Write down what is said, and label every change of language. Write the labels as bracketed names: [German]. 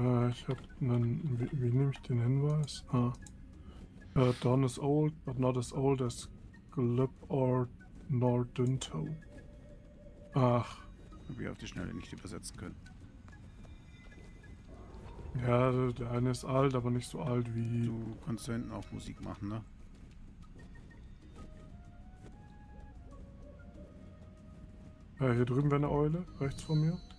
[German] Ich hab einen. Wie nehme ich den Hinweis? Ah. [English] Dawn is old, but not as old as Glib or Nordunto. Ach. [German] Hab ich auf die Schnelle nicht übersetzen können. Ja, der eine ist alt, aber nicht so alt wie. Du kannst da hinten auch Musik machen, ne? Hier drüben wäre eine Eule, rechts von mir.